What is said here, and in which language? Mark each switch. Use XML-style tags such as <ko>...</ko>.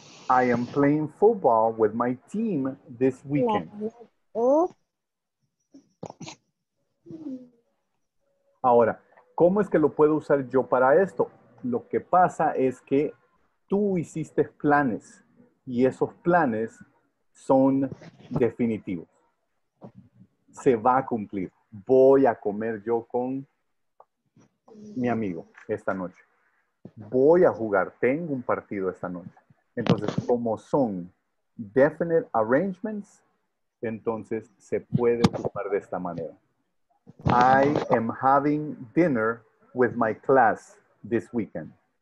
<en>I am playing football with my team this weekend.</en> <es>Ahora, ¿cómo es que lo puedo usar yo para esto? Lo que pasa es que tú hiciste planes y esos planes son definitivos. Se va a cumplir. Voy a comer yo con mi amigo esta noche. Voy a jugar. Tengo un partido esta noche. Entonces, como son</es> <en>definite arrangements,</en> <es>entonces se puede ocupar de esta manera.</es> <en>I am having dinner with my class this weekend.</en>